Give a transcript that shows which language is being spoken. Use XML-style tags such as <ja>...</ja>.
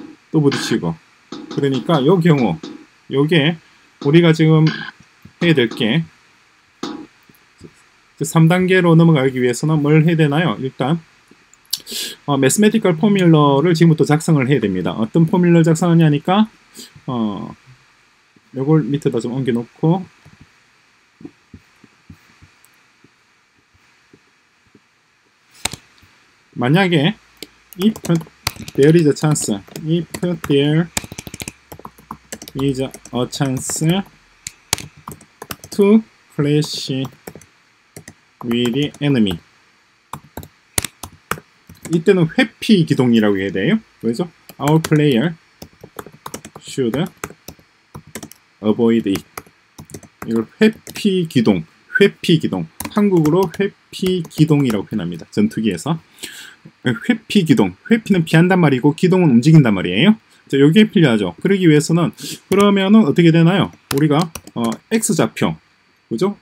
<ko>또 부딪히고, 그러니까 요 경우, 요게 우리가 지금 해야 될 게, 3단계로 넘어가기 위해서는 뭘 해야 되나요? 일단 매스매티컬 포뮬러를 지금부터 작성을 해야 됩니다. 어떤 포뮬러를 작성하냐니까 요걸 밑에다 좀 옮겨놓고 만약에</ko> <en>if there is a chance, if there is a chance to clash with the enemy,</en> <ko>이때는 회피 기동이라고 해야 돼요. 왜죠?</ko> <en>Our player should avoid it.</en> <ko>이걸 회피 기동, 회피 기동. 한국으로 회피 기동이라고 표현합니다. 전투기에서. 회피 기동. 회피는 피한단 말이고, 기동은 움직인단 말이에요. 자, 요게 필요하죠. 그러기 위해서는 그러면은 어떻게 되나요? 우리가 x좌표 그죠?</ko>